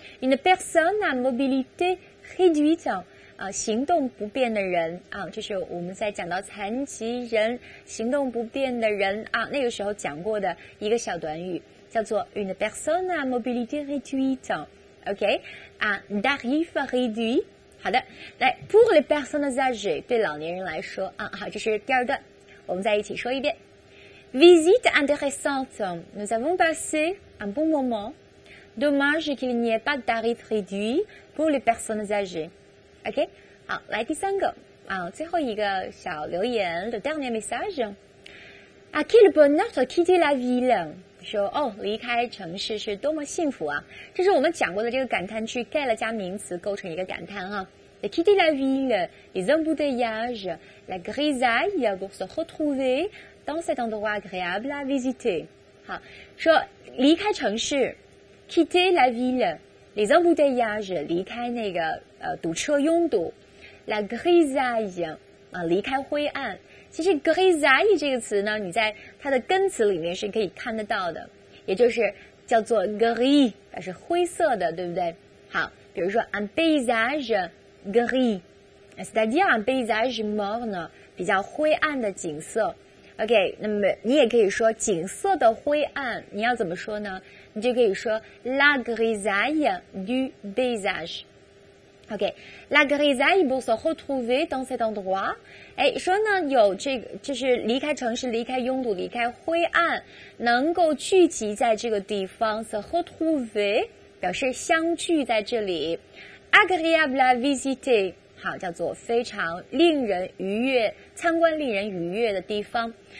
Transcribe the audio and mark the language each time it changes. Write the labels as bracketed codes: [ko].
[fr] une personne à mobilité réduite [zh] 行动不便的人就是我们在讲到残疾人、行动不便的人那个时候讲过的一个小短语，叫做 une personne à mobilité réduite， OK， [fr] un tarif réduit。 [zh] 好的，来 [fr] pour les personnes âgées， [zh] 对老年人来说好，这是第二段，我们再一起说一遍。 [fr] visite intéressante， nous avons passé un bon moment， dommage qu'il n'y ait pas de tarif réduit pour les personnes âgées。 [zh] OK， 好，来第三个最后一个小留言 ， [fr] le dernier message。 À quel bonheur de quitter la ville？ [zh] 说离开城市是多么幸福啊！这是我们讲过的这个感叹句 [fr] ，quel [zh] 加名词构成一个感叹 [fr] De quitter la ville, les embouteillages, la grisaille pour se retrouver dans cet endroit agréable à visiter。 [zh] 好，说离开城市 ， [fr] quitter la ville。 Les embouteillages, [zh] 离开那个堵车拥堵。 [fr] La grisaille, [zh] 离开灰暗。其实 grisaille 这个词呢，你在它的根词里面是可以看得到的。也就是叫做 gris, 表示灰色的，对不对？ [fr] 好，比如说 un paysage gris, c'est-à-dire un paysage morne, [zh] 比较灰暗的景色。 OK， 那么你也可以说景色的灰暗，你要怎么说呢？你就可以说 [fr] la grisaille du paysage。 OK， la grisaille pour se retrouver dans cet endroit。 [zh] 说呢，有这个就是离开城市、离开拥堵、离开灰暗，能够聚集在这个地方 ， [fr] se retrouver [zh] 表示相聚在这里。 [fr] agréable à visiter [zh] 好，叫做非常令人愉悦、参观令人愉悦的地方。